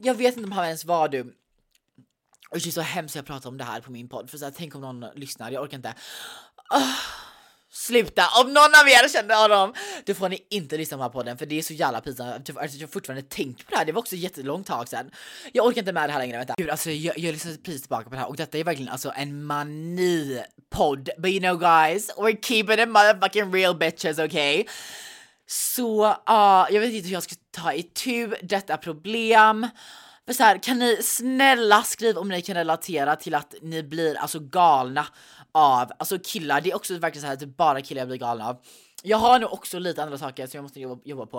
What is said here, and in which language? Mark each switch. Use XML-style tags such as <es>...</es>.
<sv>Jag vet inte om han ens var dum. Och det är så hemskt jag pratar om det här på min podd. För så här, tänk om någon lyssnar, jag orkar inte. Sluta. Om någon av er känner av dem, då får ni inte lyssna på den här podden. För det är så jävla pinsamt. Alltså jag fortfarande tänkt på det här. Det var också jättelångt tag sedan. Jag orkar inte med det här längre. Vänta. Gud, alltså jag lyssnar precis tillbaka på det här. Och detta är verkligen alltså en mani podd.</sv> <en>But you know guys, we're keeping it motherfucking real bitches, okay?</en> <sv>Så jag vet inte hur jag ska ta itu detta problem. Men så här, kan ni snälla skriva om ni kan relatera till att ni blir alltså galna av, alltså killar. Det är också verkligen såhär att det bara killar jag blir galna av. Jag har nu också lite andra saker som jag måste jobba på.</sv>